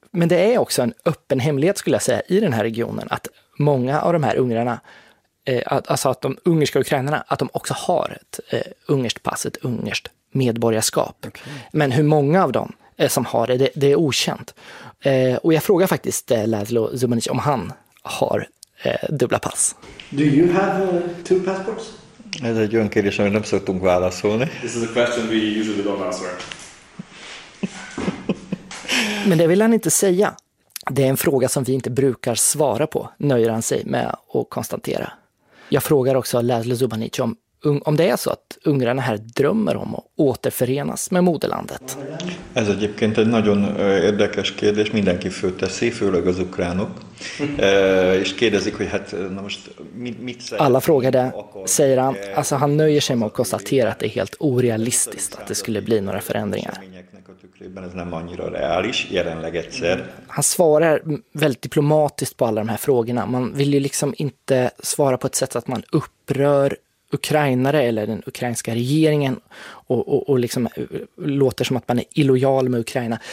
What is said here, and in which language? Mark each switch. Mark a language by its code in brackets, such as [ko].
[sv] Men det är också en öppen hemlighet, skulle jag säga, i den här regionen att många av de här ungrarna, alltså att de ungerska ukrainarna, att de också har ett ungerskt pass, ett ungerskt medborgarskap. Okay. Men hur många av dem som har det, det är okänt. Och jag frågar faktiskt Laszlo Zubanić om han har dubbla pass. [en] Do you have two passports? [hu] Ez egy olyan kérdés, amit nem szoktunk válaszolni. [en] This is a question we usually don't answer. [sv] Men det vill han inte säga. Det är en fråga som vi inte brukar svara på, nöjer han sig med att konstatera. Jag frågar också Laszlo Zubanić om det är så att ungrarna här drömmer om att återförenas med moderlandet. [hu] Ez egyébként egy nagyon érdekes kérdés, mindenki fölteszi, főleg az ukránok. És kérdezik, hogy hát na most mit [sv] säger. Alla frågade, säger han, alltså han nöjer sig med att konstatera att det är helt orealistiskt att det skulle bli några förändringar. Han svarar väldigt diplomatiskt på alla de här frågorna. Man vill ju liksom inte svara på ett sätt att man upprör ukrainare eller den ukrainska regeringen och liksom låter som att man är illojal med Ukraina.